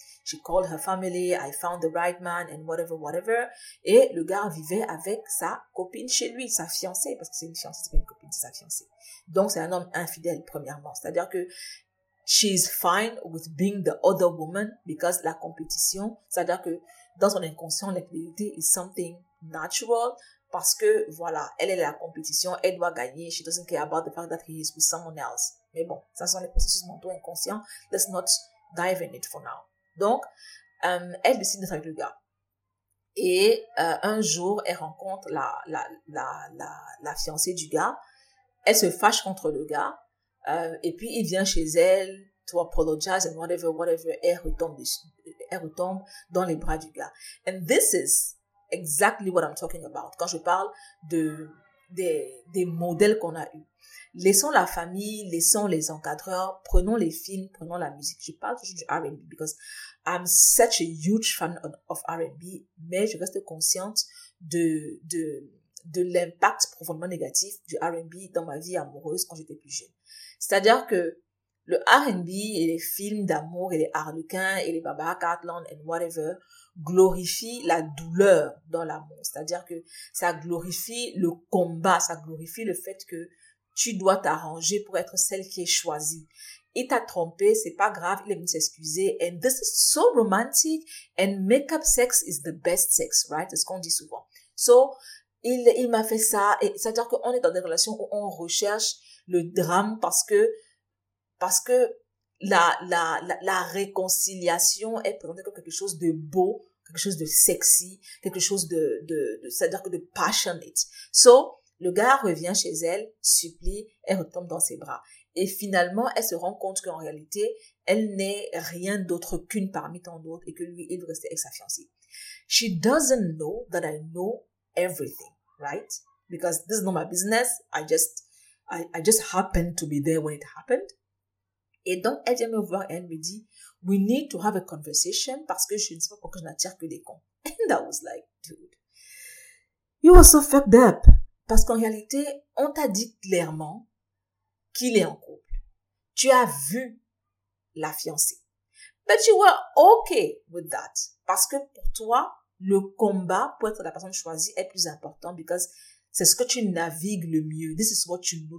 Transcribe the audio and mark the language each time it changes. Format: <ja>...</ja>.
<en>She called her family, I found the right man and whatever, whatever.</en> <fr>Et le gars vivait avec sa copine chez lui, sa fiancée, parce que c'est une fiancée, c'est pas une copine, c'est sa fiancée. Donc, c'est un homme infidèle, premièrement. C'est-à-dire que</fr> <en>she's fine with being the other woman because</en> <fr>la compétition, c'est-à-dire que dans son inconscient, l'infidélité</fr> <en>is something natural</en> <fr>parce que, voilà, elle est la compétition, elle doit gagner.</fr> <en>She doesn't care about the fact that he is with someone else.</en> <fr>Mais bon, ça sont les processus mentaux inconscients.</fr> <en>Let's not dive in it for now.</en> <fr>Donc, elle décide d'être avec le gars. Et un jour, elle rencontre la fiancée du gars. Elle se fâche contre le gars. Et puis, il vient chez elle,</fr> <en>to apologize and whatever.</en> <fr>Elle retombe dans les bras du gars.</fr> <en>And this is exactly what I'm talking about.</en> <fr>Quand je parle des modèles qu'on a eus. Laissons la famille, laissons les encadreurs, prenons les films, prenons la musique. Je parle toujours du R&B</fr> <en>because I'm such a huge fan of R&B,</en> <fr>mais je reste consciente de l'impact profondément négatif du R&B dans ma vie amoureuse quand j'étais plus jeune. C'est-à-dire que le R&B et les films d'amour et les harlequins et les Barbara Cartland</fr> <en>and whatever</en> <fr>glorifient la douleur dans l'amour. C'est-à-dire que ça glorifie le combat, ça glorifie le fait que tu dois t'arranger pour être celle qui est choisie. Il t'a trompé, c'est pas grave, il est venu s'excuser.</fr> <en>And this is so romantic. And make-up sex is the best sex, right?</en> <fr>C'est ce qu'on dit souvent. So, il m'a fait ça. Et c'est-à-dire qu'on est dans des relations où on recherche le drame parce que la réconciliation est présentée comme quelque chose de beau, quelque chose de sexy, quelque chose de c'est-à-dire que de passionate. So, le gars revient chez elle, supplie, elle retombe dans ses bras. Et finalement, elle se rend compte qu'en réalité, elle n'est rien d'autre qu'une parmi tant d'autres et que lui, il restait avec sa fiancée.</fr> <en>She doesn't know that I know everything, right? Because this is not my business. I just happened to be there when it happened.</en> <fr>Et donc, elle vient me voir et elle me dit,</fr> <en>we need to have a conversation</en> <fr>parce que je ne sais pas pourquoi je n'attire que des cons.</fr> <en>And I was like, dude, you are so fucked up.</en> <fr>Parce qu'en réalité, on t'a dit clairement qu'il est en couple. Tu as vu la fiancée.</fr> <en>But you were okay with that.</en> <fr>Parce que pour toi, le combat pour être la personne choisie est plus important because c'est ce que tu navigues le mieux.</fr> <en>This is what you know.</en>